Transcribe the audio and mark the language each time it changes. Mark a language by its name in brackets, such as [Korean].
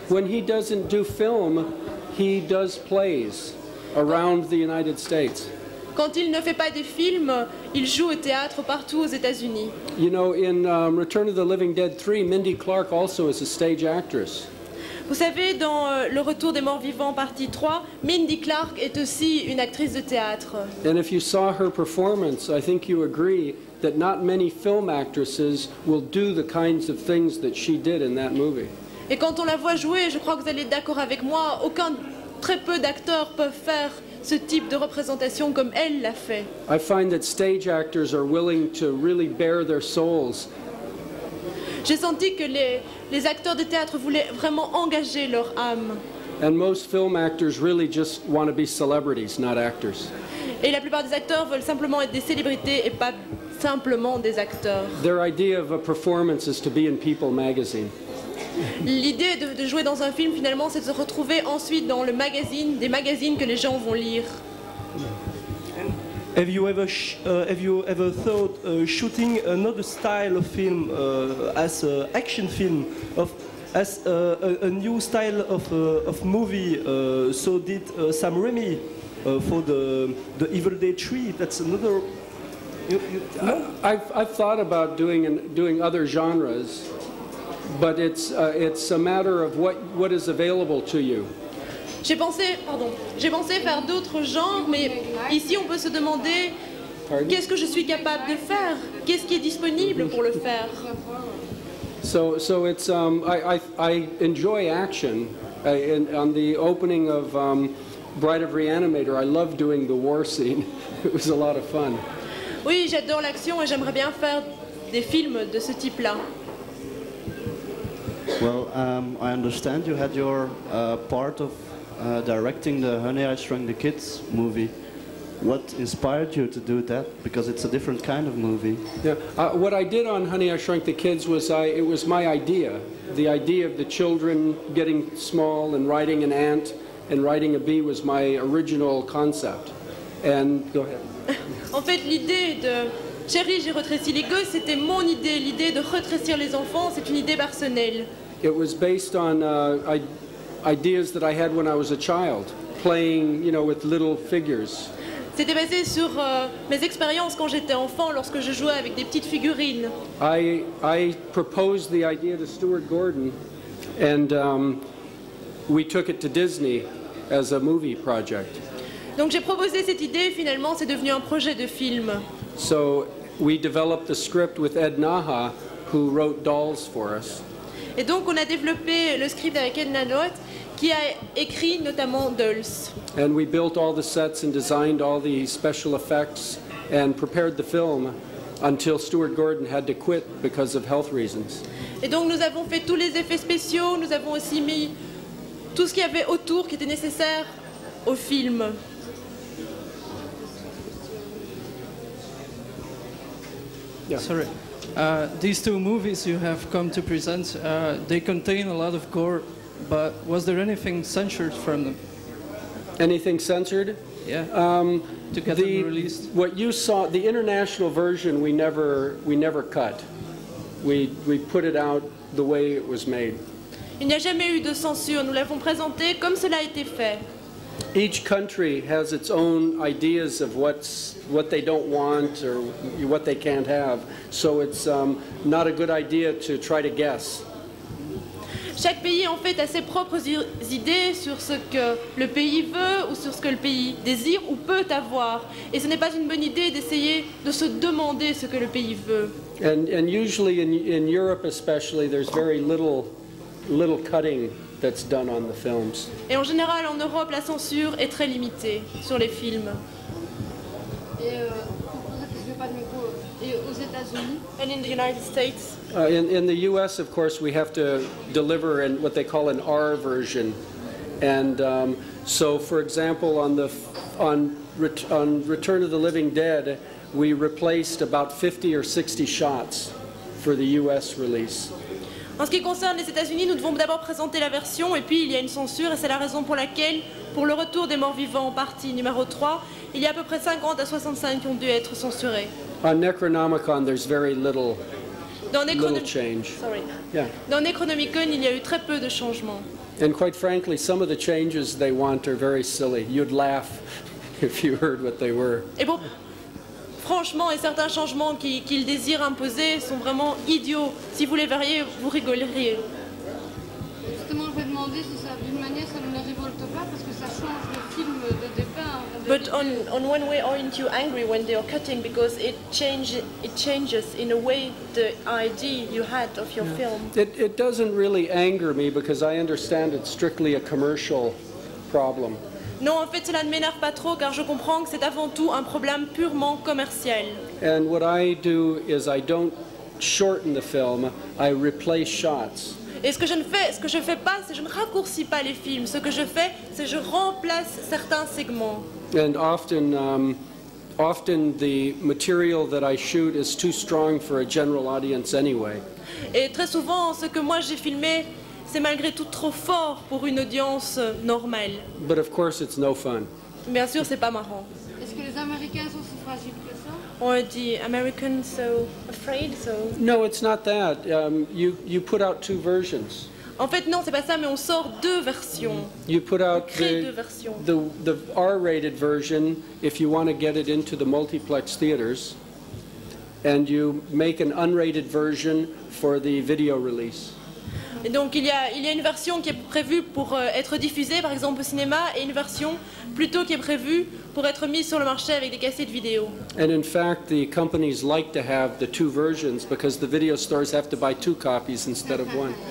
[English] When he doesn't do film, he does plays around the United States. [French] Quand il ne fait pas des films, il joue au théâtre partout aux États-Unis. [English] You know, in Return of the Living Dead 3, Mindy Clark also is a stage actress. [French] Vous savez, dans Le Retour des Morts Vivants, partie 3, Mindy Clark est aussi une actrice de théâtre. [English] And if you saw her performance, I think you agree that not many film actresses will do the kinds of things that she did in that movie. [French] Et quand on la voit jouer, je crois que vous allez être d'accord avec moi, aucun, très peu d'acteurs peuvent faire ce type de représentation comme elle l'a fait. [English] I find that stage actors are willing to really bare their souls. [French] J'ai senti que les acteurs de théâtre voulaient vraiment engager leur âme. [English] And most film actors really just want to be celebrities, not actors. [French] Et la plupart des acteurs veulent simplement être des célébrités et pas simplement des acteurs. [English] Their idea of a performance is to be in People magazine. [French] L'idée de jouer dans un film, finalement, c'est de se retrouver ensuite dans le magazine, des magazines que les gens vont lire. [English] Have you ever thought shooting another style of film as an action film, as a new style of movie? So did Sam Raimi for the Evil Dead 3. That's another. I've thought about doing other genres, but it's a matter of what is available to you. [French] J'ai pensé faire d'autres genres, mais ici on peut se demander qu'est-ce que je suis capable de faire, qu'est-ce qui est disponible pour le faire. [English] So it's I enjoy action. On the opening of Bride of Reanimator, I love doing the war scene. It was a lot of fun. [French] Oui, j'adore l'action et j'aimerais bien faire des films de ce type-là. [English] Well, I understand you had your part of directing the Honey, I Shrunk the Kids movie. What inspired you to do that? Because it's a different kind of movie. Yeah, what I did on Honey, I Shrunk the Kids was it was my idea. The idea of the children getting small and riding an ant and riding a bee was my original concept. And go ahead. [French] En fait, l'idée de Chérie, j'ai retréci les gosses, c'était mon idée. L'idée de retrécir les enfants, c'est une idée personnelle. [English] It was based on ideas that I had when I was a child, playing, you know, with little figures. [French] C'était basé sur mes expériences quand j'étais enfant, lorsque je jouais avec des petites figurines. [English] I proposed the idea to Stuart Gordon, and we took it to Disney as a movie project. [French] Donc j'ai proposé cette idée, finalement c'est devenu un projet de film. [English] So we developed the script with Ed Naha, who wrote Dolls for us. [French] Et donc on a développé le script avec Ed Naha, qui a écrit notamment Dolls. [English] And we built all the sets and designed all the special effects and prepared the film until Stuart Gordon had to quit because of health reasons. [French] Et donc nous avons fait tous les effets spéciaux, nous avons aussi mis tout ce qu'il y avait autour qui était nécessaire au film. [English] Yeah. Sorry. These two movies you have come to present, they contain a lot of gore. But was there anything censored from them? Anything censored? Yeah. To get them released? What you saw, the international version, we never cut. We put it out the way it was made. [French] Il n'y a jamais eu de censure. Nous l'avons présenté comme cela a été fait. [English] Each country has its own ideas of what they don't want or what they can't have. So it's not a good idea to try to guess. [French] Chaque pays en fait a ses propres idées sur ce que le pays veut ou sur ce que le pays désire ou peut avoir. Et ce n'est pas une bonne idée d'essayer de se demander ce que le pays veut. [English] And usually in Europe especially, there's very little cutting that's done on the films. [French] Et en général, en Europe, la censure est très limitée sur les films. [English] And in the United States? In the US, of course, we have to deliver in what they call an R version. And so, for example, on Return of the Living Dead, we replaced about 50 or 60 shots for the US release. [French] En ce qui concerne les États-Unis, nous devons d'abord présenter la version et puis il y a une censure et c'est la raison pour laquelle, pour le retour des morts vivants en partie numéro 3, il y a à peu près 50 à 65 qui ont dû être censurés. [English] On Necronomicon, there's very little, little change. Sorry. Yeah. [French] Dans Necronomicon, il y a eu très peu de changements. [English] And quite frankly, some of the changes they want are very silly. You'd laugh if you heard what they were. [French] Et bon, franchement, et certains changements qu'ils désirent imposer sont vraiment idiots. Si vous les verriez, vous rigoleriez. Justement, je vais demander si ça, d'une manière, ça ne les révolte pas parce que ça change le film de départ. [English] But on one way, aren't you angry when they are cutting because it changes in a way the idea you had of your film? It doesn't really anger me because I understand it's strictly a commercial problem. [French] Non, en fait, cela ne m'énerve pas trop, car je comprends que c'est avant tout un problème purement commercial. [English] And what I do is I don't shorten the film, I replace shots. [French] Et ce que je fais pas, c'est je ne raccourcis pas les films. Ce que je fais, c'est je remplace certains segments. [English] And often the material that I shoot is too strong for a general audience anyway. [French] Et très souvent, ce que moi j'ai filmé, c'est malgré tout trop fort pour une audience normale. [English] But of course it's no fun. [French] Bien sûr, c'est pas marrant. Est-ce que les Américains sont si fragiles que ça? [English] Or the Americans so afraid so? No, it's not that. You put out two versions. [French] En fait, non, c'est pas ça, mais on sort deux versions. [English] You put out the R-rated version if you want to get it into the multiplex theaters, and you make an unrated version for the video release. [French] Et donc il y a une version qui est prévue pour être diffusée par exemple au cinéma et une version plutôt qui est prévue pour être mise sur le marché avec des cassettes vidéo. [English] And in fact the companies like to have the two versions because the video stores have to buy two copies instead of one.